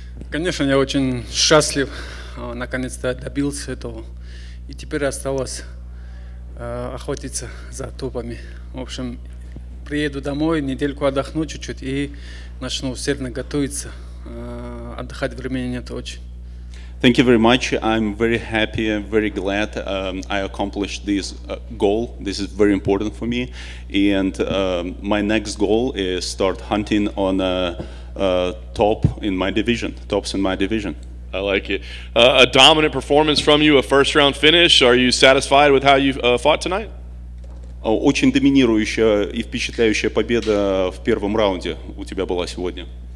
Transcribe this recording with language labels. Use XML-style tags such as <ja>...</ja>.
<ru>Конечно, я очень счастлив, наконец-то добился этого. И теперь осталось охотиться за тупами. В общем, приеду домой, недельку отдохну чуть-чуть и начну усердно готовиться. Отдыхать времени нет очень.</ru> <en>Thank you very much. I'm very happy and very glad I accomplished this goal. This is very important for me. And my next goal is start hunting on top in my division, tops in my division. I like it. A dominant performance from you, a first round finish. Are you satisfied with how you fought tonight?</en> <ru>Очень доминирующая и впечатляющая победа в первом раунде у тебя была сегодня.</ru>